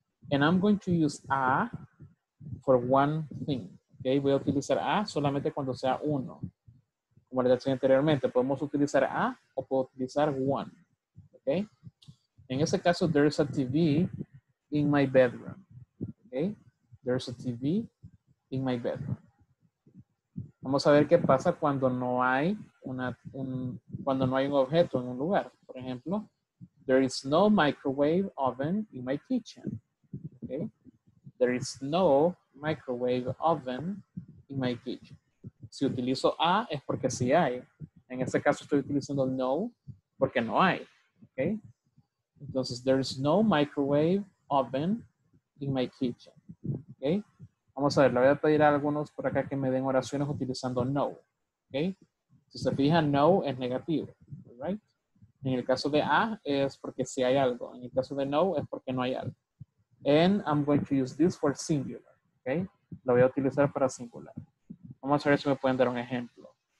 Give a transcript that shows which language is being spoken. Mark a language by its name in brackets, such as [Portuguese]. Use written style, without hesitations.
[English] And I'm going to use a for one thing. [Spanish] Okay, voy a utilizar a solamente cuando sea uno. Como les decía anteriormente, podemos utilizar a o puedo utilizar one. [English] Okay? [Spanish] En ese caso, [English] there's a TV in my bedroom. Okay? There's a TV in my bedroom. [Spanish] Vamos a ver qué pasa cuando no hay un objeto en un lugar. Por ejemplo, [English] there is no microwave oven in my kitchen. Okay? There is no microwave oven in my kitchen. [Spanish] Si utilizo a es porque sí hay. En este caso estoy utilizando no porque no hay. [English] Okay? Entonces, there is no microwave oven in my kitchen. Okay? [Spanish] Vamos a ver, le voy a pedir a algunos por acá que me den oraciones utilizando no. Okay? Si se fijan, no es negativo. Right? En el caso de a es porque sí hay algo. En el caso de no es porque no hay algo. [English] And I'm going to use this for singular. [Spanish] Okay. Lo voy a utilizar para singular. Vamos a ver si me pueden dar un ejemplo.